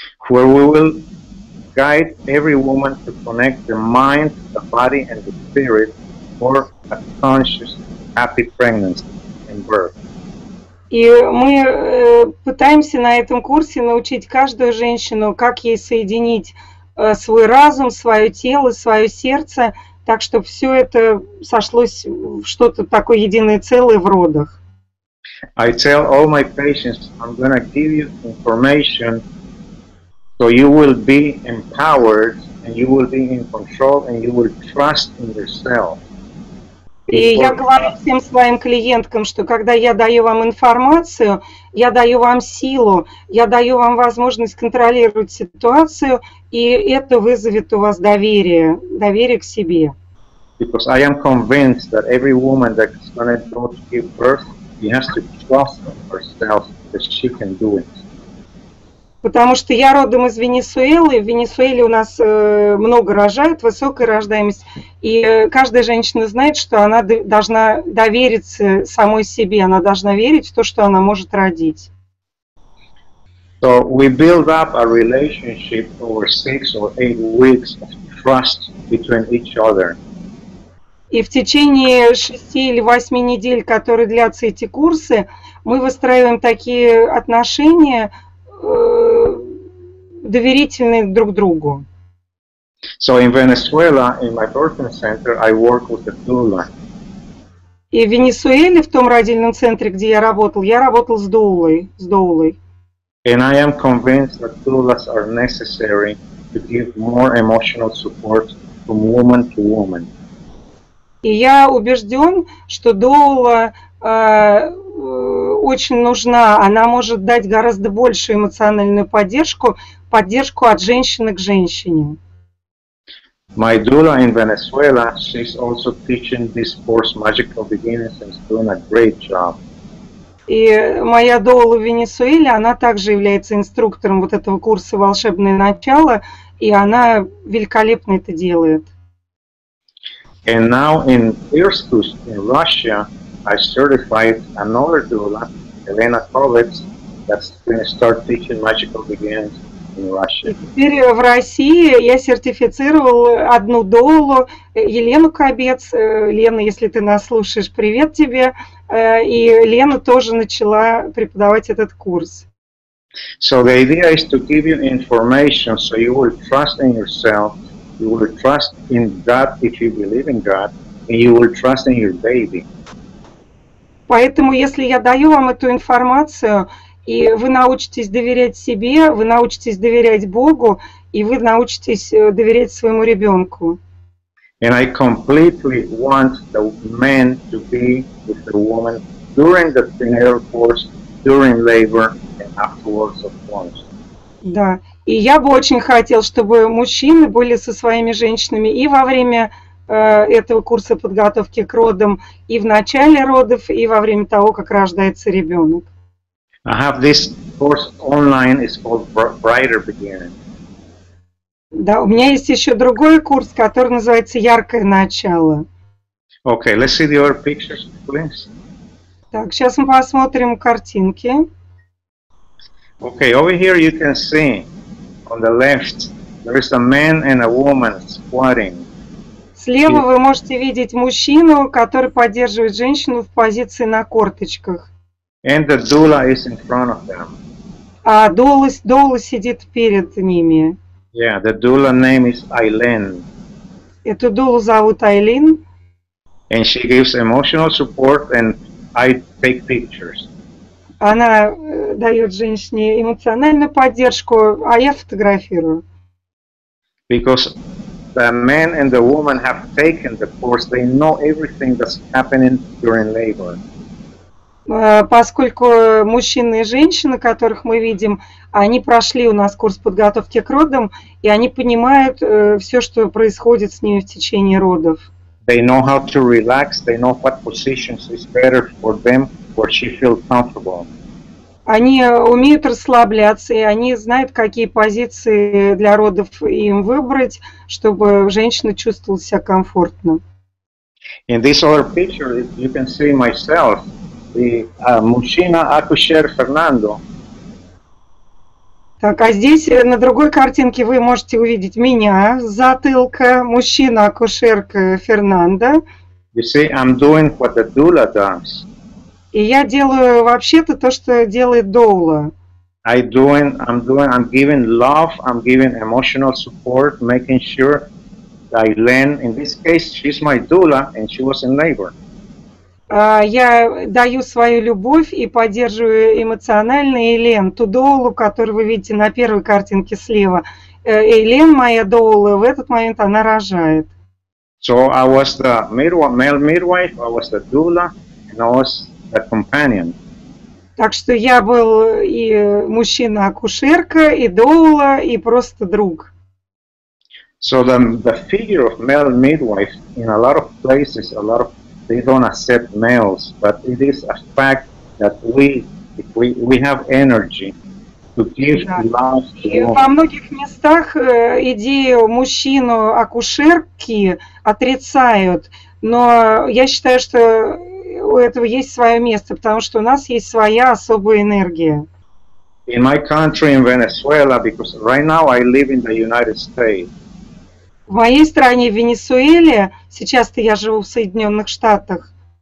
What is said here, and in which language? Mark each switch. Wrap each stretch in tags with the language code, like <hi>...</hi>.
<en>Where we will guide every woman to connect the mind, the body, and the spirit for a conscious, happy pregnancy and birth.</en> <ru>И мы пытаемся на этом курсе научить каждую женщину, как ей соединить свой разум, свое тело, свое сердце, так, чтобы все это сошлось в что-то такое единое целое в родах.</ru> <en>I tell all my patients, I'm going to give you information, so you will be empowered, and you will be in control, and you will trust in yourself.</en> <ru>И я говорю всем своим клиенткам, что когда я даю вам информацию, я даю вам силу, я даю вам возможность контролировать ситуацию, и это вызовет у вас доверие, доверие к себе.</ru> <en>Because I am convinced that every woman that is going to go to give birth, she has to trust herself that she can do it.</en> <ru>Потому что я родом из Венесуэлы, в Венесуэле у нас много рожают, высокая рождаемость, и каждая женщина знает, что она должна довериться самой себе, она должна верить в то, что она может родить.</ru> <en>So we build up a relationship over 6 or 8 weeks of trust between each other.</en> <ru>И в течение 6 или 8 недель, которые длятся эти курсы, мы выстраиваем такие отношения, доверительны друг другу.</ru> <en>So in Venezuela, in my birthing center, I work with a doula.</en> <ru>И в Венесуэле, в том родильном центре, где я работал с доулой, с доулой.</ru> <en>And I am convinced that doulas are necessary to give more emotional support from woman to woman.</en> <ru>И я убежден, что доула очень нужна. Она может дать гораздо большую эмоциональную поддержку, поддержку от женщины к женщине.</ru> <en>My doula in Venezuela, she's also teaching this course Magical Beginnings and is doing a great job.</en> <ru>И моя доула в Венесуэле, она также является инструктором вот этого курса «Волшебное начало», и она великолепно это делает.</ru> <en>And now in Irkutsk, in Russia, I certified another doula, Elena Kovets, that's going to start teaching Magical Beginnings.</en> <ru>Теперь в России я сертифицировал одну доулу, Елену Кобец. Лена, если ты нас слушаешь, привет тебе. И Лена тоже начала преподавать этот курс.</ru> <en>So the idea is to give you information so you will trust in yourself, you will trust in God if you believe in God, and you will trust in your baby.</en> <ru>Поэтому, если я даю вам эту информацию, и вы научитесь доверять себе, вы научитесь доверять Богу, и вы научитесь доверять своему ребенку.</ru> <en>And I completely want the man to be with the woman during the prenatal course, during labor, and afterwards, of course.</en> <ru>Да, и я бы очень хотел, чтобы мужчины были со своими женщинами и во время этого курса подготовки к родам, и в начале родов, и во время того, как рождается ребенок.</ru> <en>I have this course online, it's called Brighter Beginning.</en> <ru>Да, у меня есть еще другой курс, который называется «Яркое начало».</ru> <en>Okay, let's see the other pictures, please.</en> <ru>Так, сейчас мы посмотрим картинки.</ru> <en>Okay, over here you can see, on the left, there is a man and a woman squatting.</en> <ru>Слева вы можете видеть мужчину, который поддерживает женщину в позиции на корточках.</ru> <en>And the doula is in front of them.</en> <ru>А доула сидит перед ними.</ru> <en>Yeah, the doula name is Eileen.</en> <ru>Эту доулу зовут Eileen.</ru> <en>And she gives emotional support and I take pictures.</en> <ru>Она дает женщине эмоциональную поддержку, а я фотографирую.</ru> <en>Because the man and the woman have taken the course, they know everything that's happening during labor.</en> <ru>Поскольку мужчины и женщины, которых мы видим, они прошли у нас курс подготовки к родам, и они понимают все, что происходит с ними в течение родов.</ru> <en>They know how to relax, they know what positions is better for them, where she feels comfortable.</en> <ru>Они умеют расслабляться, и они знают, какие позиции для родов им выбрать, чтобы женщина чувствовала себя комфортно.</ru> <en>In this other picture, you can see myself.</en> <ru>Мужчина акушер Фернандо. Так, а здесь на другой картинке вы можете увидеть меня, затылка, мужчина акушерка Фернандо.</ru> <en>You see, I'm doing what the doula does.</en> <ru>И я делаю вообще-то то, что делает доула.</ru> <en>I'm giving love, I'm giving emotional support, making sure that Eileen, in this case, she's my doula and she was in labor.</en> <ru>Я даю свою любовь и поддерживаю эмоционально Элен, ту доулу, которую вы видите на первой картинке слева. Элен, моя доула, в этот момент она рожает.</ru> <en>So I was the male midwife, I was the doula, and I was the companion.</en> <ru>Так что я был и мужчина-акушерка, и доула, и просто друг.</ru> <en>So the figure of male midwife in a lot of places, a lot of they don't accept males, but it is a fact that we have energy to give love to women.</en> <ru>Во многих местах идею мужчину-акушерки отрицают, но я считаю, что у этого есть свое место, потому что у нас есть своя особая энергия.</ru> <en>In my country, in Venezuela, because right now I live in the United States.</en> <ru>В моей стране, в Венесуэле, сейчас-то я живу в Соединенных Штатах.</ru>